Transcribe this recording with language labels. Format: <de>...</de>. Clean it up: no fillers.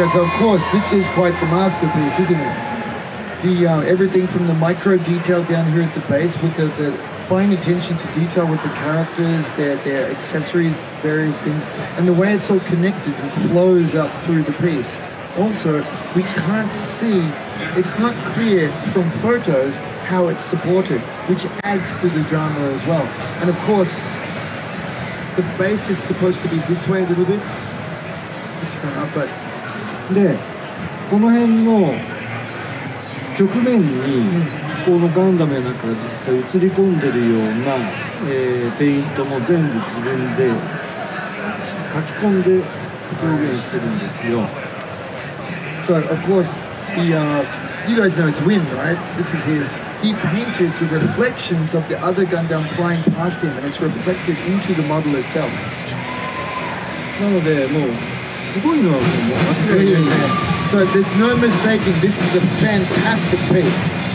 <en>Okay, so of course this is quite the masterpiece, isn't it? The everything from the micro detail down here at the base with the fine attention to detail with the characters, their accessories, various things, and the way it's all connected and flows up through the piece. Also, we can't see, it's not clear from photos how it's supported, which adds to the drama as well. And of course, the base is supposed to be this way a little bit. But</en> <ja>で、この辺の局面にこのガンダムなんかが実際映り込んでるような、ペイントも全部自分で書き込んで表現してるんですよ。</ja> <en>So of course the you guys know it's Win, right? This is his. He painted the reflections of the other Gundam flying past him, and it's reflected into the model itself.</en> <ja>なのでもう。</ja> <en>So there's no mistaking, this is a fantastic piece.</en>